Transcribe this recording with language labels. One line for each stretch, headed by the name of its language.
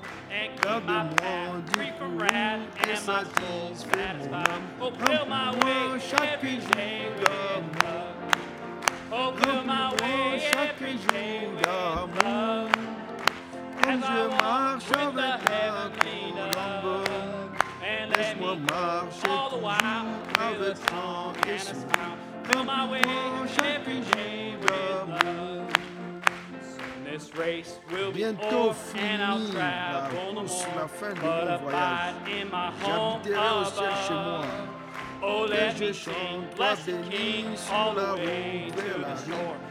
English: And keep my path free from wrath and my soul satisfied. Oh, fill my way every day with love. Oh, fill my way every day with love. As I walk with the heavenly love.
French: Laisse-moi marcher avec ton esprit.
English: Fill my way every day with love. This race will be over and I'll travel no more. But abide in my home above. Oh, let me sing, bless the King all the way to the shore.